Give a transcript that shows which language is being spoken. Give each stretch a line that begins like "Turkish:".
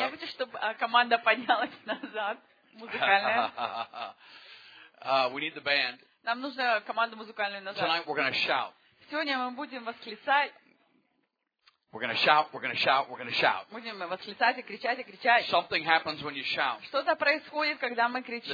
Russian: Я хочу, чтобы команда поднялась назад, музыкальная.
English: We need the band.
Russian: Нам нужна команда музыкальная назад.
English: Tonight we're going to shout.
Russian: Сегодня мы будем восклицать.
English: We're going to shout, we're going to shout, we're going to shout.
Russian: Будем восклицать и кричать, и кричать.
English: Something happens when you shout.
Russian: Что-то происходит, когда мы кричим.